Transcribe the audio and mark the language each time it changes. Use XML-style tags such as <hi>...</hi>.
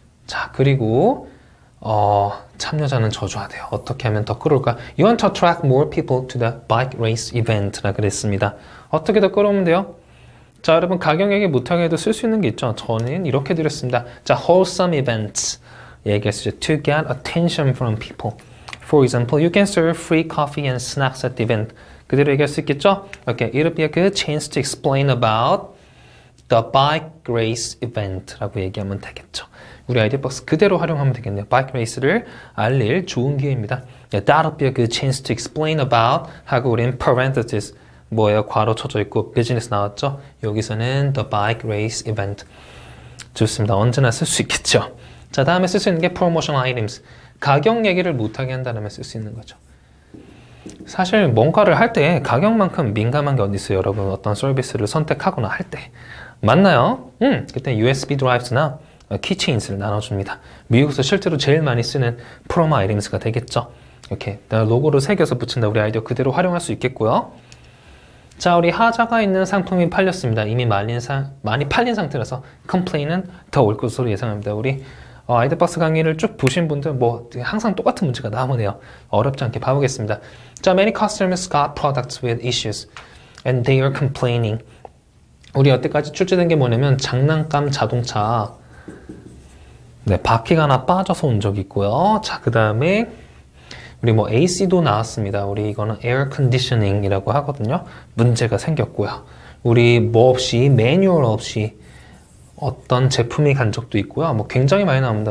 <ko>자, 그리고 참여자는 저조하대요. 어떻게 하면 더 끌어올까?</ko> <en>You want to attract more people to the bike race event라</en> <ko>그랬습니다. 어떻게 더 끌어오면 돼요? 자, 여러분, 가격 얘기 못하게 해도 쓸 수 있는 게 있죠. 저는 이렇게 드렸습니다.</ko> <en>자, wholesome events</en> <ko>얘기했죠.</ko> <en>To get attention from people. For example, you can serve free coffee and snacks at the event.</en> <ko>그대로 얘기할 수 있겠죠?</ko> <en>Okay, it'll be a good chance to explain about the bike race event라고</en> <ko>얘기하면 되겠죠. 우리 아이디어박스 그대로 활용하면 되겠네요.</ko> <en>Bike race를</en> <ko>알릴 좋은 기회입니다.</ko> <en>Yeah, that'll be a good chance to explain about</en> <ko>하고 우린</ko> <en>parentheses</en> <ko>뭐예요? 괄호 쳐져 있고 business 나왔죠? 여기서는</ko> <en>the bike race event.</en> <ko>좋습니다. 언제나 쓸 수 있겠죠. 자, 다음에 쓸 수 있는 게 promotion items. 가격 얘기를 못하게 한다면 쓸 수 있는 거죠. 사실 뭔가를 할 때 가격만큼 민감한 게 어디 있어요? 여러분, 어떤 서비스를 선택하거나 할 때 맞나요? 그때 USB 드라이브나 키체인스를 나눠줍니다. 미국에서 실제로 제일 많이 쓰는 프로마 아이림스가 되겠죠. 이렇게 로고를 새겨서 붙인다. 우리 아이디어 그대로 활용할 수 있겠고요. 자, 우리 하자가 있는 상품이 팔렸습니다. 이미 많이 팔린 상태라서 컴플레인은 더 올 것으로 예상합니다. 우리 아이디어박스 강의를 쭉 보신 분들 뭐 항상 똑같은 문제가 나오네요. 어렵지 않게 봐보겠습니다.</ko> <en>자, many customers got products with issues and they are complaining.</en> <ko>우리 여태까지 출제된 게 뭐냐면 장난감 자동차 네, 바퀴가 하나 빠져서 온 적이 있고요. 자, 그 다음에 우리 뭐 AC도 나왔습니다. 우리 이거는 에어 컨디셔닝이라고 하거든요. 문제가 생겼고요. 우리 뭐 없이 매뉴얼 없이 어떤 제품이 간 적도 있고요. 뭐 굉장히 많이 나옵니다.</ko>